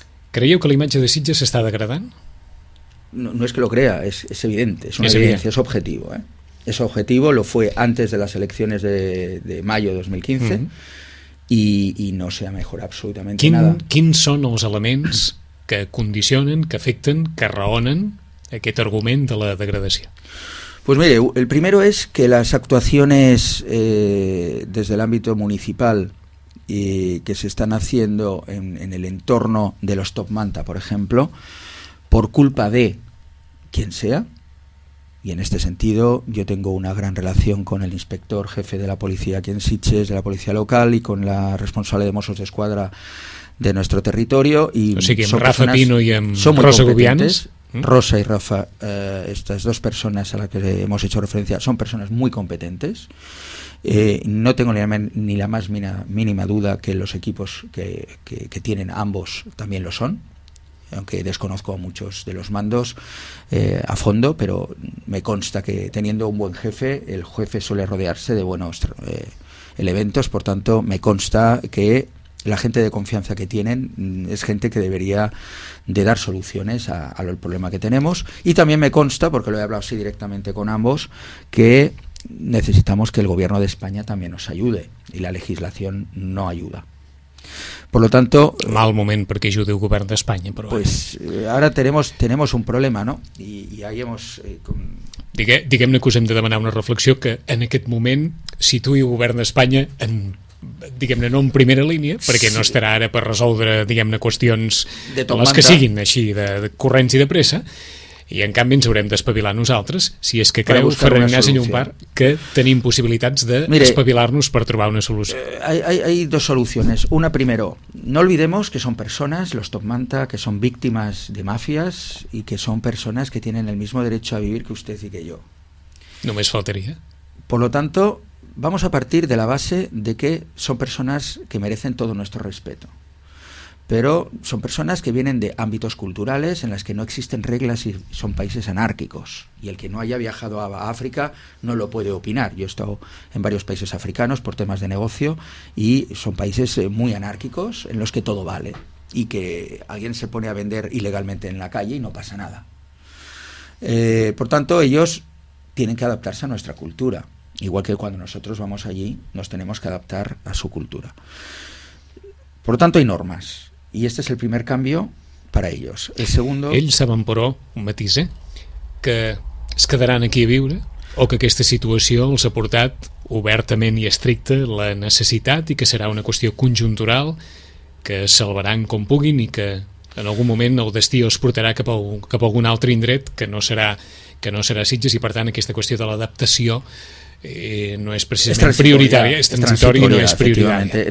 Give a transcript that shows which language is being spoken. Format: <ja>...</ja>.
<ca>¿Creieu que la imatge de Sitges s'està degradant?</ca> <es>No, no es que lo crea, es evidente, es una evidencia, es objetivo. Es objetivo, lo fue antes de las elecciones de mayo de 2015, uh-huh. y no se ha mejorado absolutamente nada.</es> <ca>¿Quins</ca> <es>son los elementos que condicionan,</es> <ca>que afecten, que raonen aquest argument de la degradació?</ca> <es>Pues mire, el primero es que las actuaciones desde el ámbito municipal que se están haciendo en el entorno de los Top Manta, por ejemplo, por culpa de quien sea, y en este sentido yo tengo una gran relación con el inspector jefe de la policía aquí en Sitges, de la policía local, y con la responsable de Mossos d'Esquadra de nuestro territorio. Y</es> <ca>o sigui, amb Rafa personas, Pino i amb son Rosa Gubianes.</ca> <es>Rosa y Rafa, estas dos personas a las que hemos hecho referencia, son personas muy competentes. No tengo ni la más mínima duda que los equipos que tienen ambos también lo son, aunque desconozco a muchos de los mandos a fondo, pero me consta que teniendo un buen jefe, el jefe suele rodearse de buenos elementos, por tanto me consta que la gente de confianza que tienen es gente que debería de dar soluciones al problema que tenemos, y también me consta, porque lo he hablado así directamente con ambos, que necesitamos que el gobierno de España también nos ayude, y la legislación no ayuda. Por lo tanto, mal momento porque ayude el gobierno de España, pero pues ahora tenemos un problema, ¿no? Y ahí hemos</es> <ca>diguem-ne que us hem de demanar una reflexió, que en aquest moment situï el gobierno de España en, diguem-ne, no en primera línia, perquè sí, no estarà ara per resoldre, diguem-ne, qüestions de les manta que siguin així, de corrents i de pressa, i en canvi ens haurem d'espavilar nosaltres, si és que creu, Ferran Ignasi Llombart, que tenim possibilitats d'espavilar-nos per trobar una solució.</ca> <es>Hay dos soluciones. Una, primero, no olvidemos que son personas, los top manta, que son víctimas de mafias y que son personas que tienen el mismo derecho a vivir que usted y que yo.</es> <ca>Només faltaría.</ca> <es>Por lo tanto, vamos a partir de la base de que son personas que merecen todo nuestro respeto, pero son personas que vienen de ámbitos culturales en las que no existen reglas y son países anárquicos, y el que no haya viajado a África no lo puede opinar. Yo he estado en varios países africanos por temas de negocio y son países muy anárquicos en los que todo vale y que alguien se pone a vender ilegalmente en la calle y no pasa nada. Por tanto, ellos tienen que adaptarse a nuestra cultura. Igual que cuando nosotros vamos allí, nos tenemos que adaptar a su cultura. Por tanto, hay normas. Y este es el primer cambio para ellos. El segundo...</es> <ca>Ells saben, però, un matís, que es quedaran aquí a viure, o que aquesta situació els ha portat obertament i estricta la necessitat i que serà una qüestió conjuntural que salvaran com puguin i que en algun moment el destí els portarà cap a algun altre indret que no serà Sitges, i per tant aquesta qüestió de l'adaptació no</ca> <es>es precisamente prioritaria, es transitoria, no es prioritaria.</es>